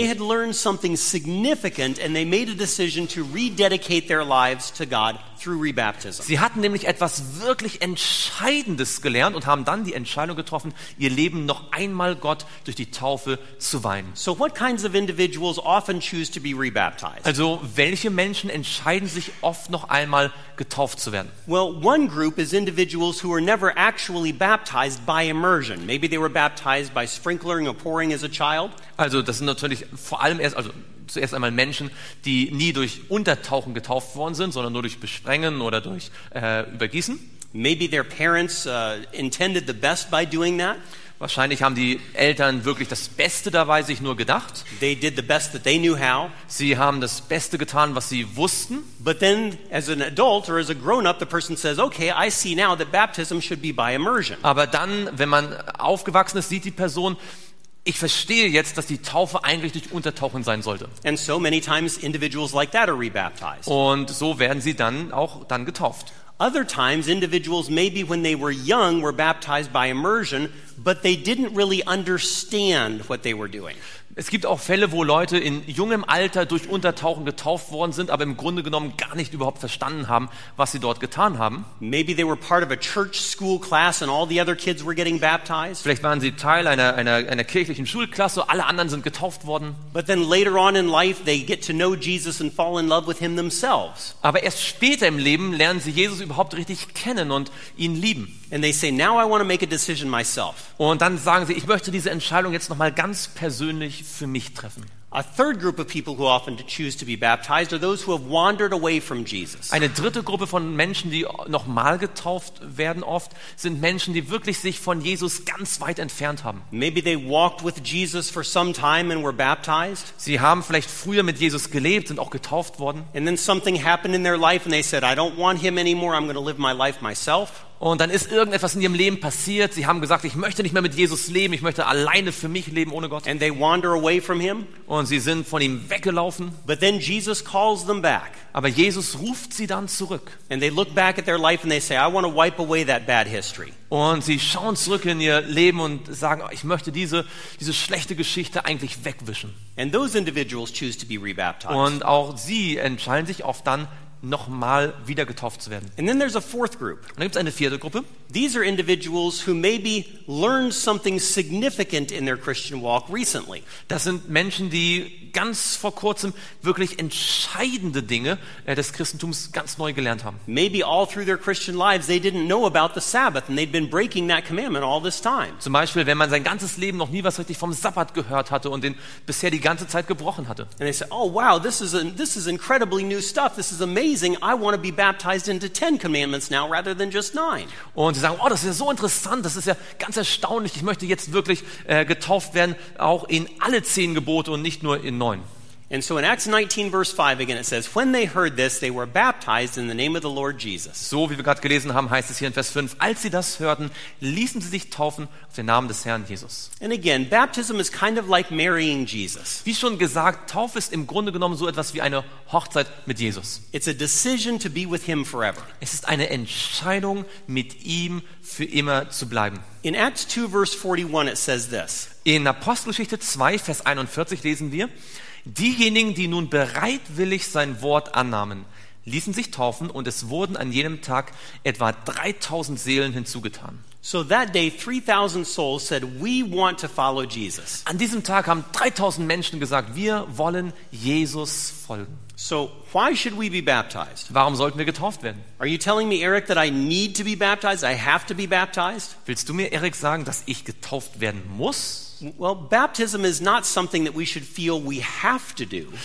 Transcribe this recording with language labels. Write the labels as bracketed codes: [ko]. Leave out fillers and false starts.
[en] They had learned something significant and they made a decision to rededicate their lives to God through rebaptism. [de] Sie hatten nämlich etwas wirklich Entscheidendes gelernt und haben dann die Entscheidung getroffen, ihr Leben noch einmal Gott durch die Taufe zu weihen. [en] So what kinds of individuals often choose to be rebaptized? [de] Also, welche Menschen entscheiden sich oft noch einmal getauft zu werden? [en] Well, one group is individuals who are never actually baptized by immersion. Maybe they were baptized by sprinkling or pouring as a child. [de] Also, das sind natürlich vor allem erst, also zuerst einmal Menschen, die nie durch Untertauchen getauft worden sind, sondern nur durch Besprengen oder durch Übergießen. [en] Maybe their parents intended the best by doing that. [de] Wahrscheinlich haben die Eltern wirklich das Beste dabei sich nur gedacht. [en] They did the best that they knew how. [de] Sie haben das Beste getan, was sie wussten. [en] But then, as an adult or as a grown-up, the person says, "Okay, I see now that baptism should be by immersion." [de] Aber dann, wenn man aufgewachsen ist, sieht die Person: Ich verstehe jetzt, dass die Taufe eigentlich durch Untertauchen sein sollte. [en] And so many times, individuals like that are rebaptized. [de] Und so werden sie dann auch dann getauft. [en] Other times, individuals maybe when they were young were baptized by immersion, but they didn't really understand what they were doing. [de] Es gibt auch Fälle, wo Leute in jungem Alter durch Untertauchen getauft worden sind, aber im Grunde genommen gar nicht überhaupt verstanden haben, was sie dort getan haben. [en] Maybe they were part of a church school class and all the other kids were getting baptized. [de] Vielleicht waren sie Teil einer kirchlichen Schulklasse, alle anderen sind getauft worden. [en] But then later on in life they get to know Jesus and fall in love with him themselves. [de] Aber erst später im Leben lernen sie Jesus überhaupt richtig kennen und ihn lieben. [en] And they say, "Now I want to make a decision myself." [de] Und dann sagen sie, ich möchte diese Entscheidung jetzt noch mal ganz persönlich für mich treffen. [en] A third group of people who often choose to be baptized are those who have wandered away from Jesus. [de] Eine dritte Gruppe von Menschen, die noch mal getauft werden oft, sind Menschen, die wirklich sich von Jesus ganz weit entfernt haben. [en] Maybe they walked with Jesus for some time and were baptized. [de] Sie haben vielleicht früher mit Jesus gelebt und auch getauft worden. [en] And then something happened in their life and they said, "I don't want him anymore. I'm going to live my life myself." [de] Und dann ist irgendetwas in ihrem Leben passiert. Sie haben gesagt, ich möchte nicht mehr mit Jesus leben. Ich möchte alleine für mich leben ohne Gott. [en] And they wander away from him. [de] Und sie sind von ihm weggelaufen. [en] But then Jesus calls them back. [de] Aber Jesus ruft sie dann zurück. [en] And they look back at their life and they say, "I want to wipe away that bad history." [de] Und sie schauen zurück in ihr Leben und sagen, ich möchte diese schlechte Geschichte eigentlich wegwischen. [en] And those individuals choose to be rebaptized. [de] Und auch sie entscheiden sich oft dann, nochmal wieder getauft zu werden. [en] And then there's a fourth group. [de] Und dann gibt's eine vierte Gruppe. [en] These are individuals who maybe learned something significant in their Christian walk recently. [de] Das sind Menschen, die ganz vor kurzem wirklich entscheidende Dinge des Christentums ganz neu gelernt haben. [en] Maybe all through their Christian lives they didn't know about the Sabbath and they'd been breaking that commandment all this time. [de] Zum Beispiel, wenn man sein ganzes Leben noch nie was richtig vom Sabbat gehört hatte und den bisher die ganze Zeit gebrochen hatte. [en] And they said, "Oh wow, this is incredibly new stuff. This is amazing. I want to be baptized into 10 commandments now rather than just 9." [de] Und sie sagen, oh, das ist ja so interessant, das ist ja ganz erstaunlich, ich möchte jetzt wirklich getauft werden, auch in alle 10 Gebote und nicht nur in 9. [en] And so in Acts 19, verse 5, again it says, "When they heard this, they were baptized in the name of the Lord Jesus." [de] So wie wir gerade gelesen haben, heißt es hier in Vers 5, als sie das hörten, ließen sie sich taufen auf den Namen des Herrn Jesus. [en] And again, baptism is kind of like marrying Jesus. [de] Wie schon gesagt, Taufe ist im Grunde genommen so etwas wie eine Hochzeit mit Jesus. [en] It's a decision to be with him forever. [de] Es ist eine Entscheidung, mit ihm für immer zu bleiben. [en] In Acts 2, verse 41, it says this. [de] In Apostelgeschichte 2, Vers 41 lesen wir: Diejenigen, die nun bereitwillig sein Wort annahmen, ließen sich taufen und es wurden an jenem Tag etwa 3000 Seelen hinzugetan. [en] So that day 3000 souls said, "We want to follow Jesus." [de] An diesem Tag haben 3000 Menschen gesagt, wir wollen Jesus folgen. [en] So why should we be baptized? [de] Warum sollten wir getauft werden? [en] Are you telling me, Eric, that I need to be baptized? I have to be baptized? [de] Willst du mir, Eric, sagen, dass ich getauft werden muss? [en] Well, baptism is not something that we should feel we have to do.